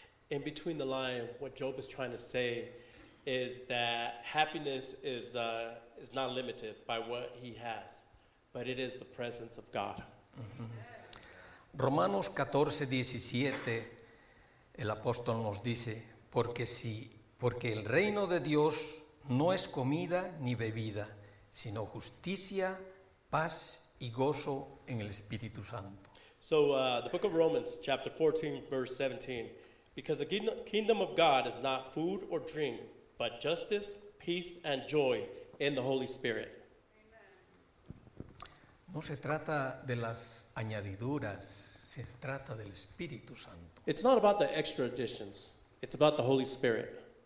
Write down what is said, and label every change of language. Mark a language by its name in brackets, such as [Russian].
[English] In between the line, what Job is trying to say is that happiness is not limited by what he has, but it is the presence of God. [Spanish] Romanos 14:17, el apóstol nos dice, porque el reino de Dios no es comida ni bebida, sino justicia, paz y gozo en el Espíritu Santo. [English] So the book of Romans, chapter 14, verse 17, because the kingdom of God is not food or drink, but justice, peace and joy in the Holy Spirit. [Spanish] No se trata de las añadiduras, se trata del Espíritu Santo. [English] It's not about the extra additions, it's about the Holy Spirit.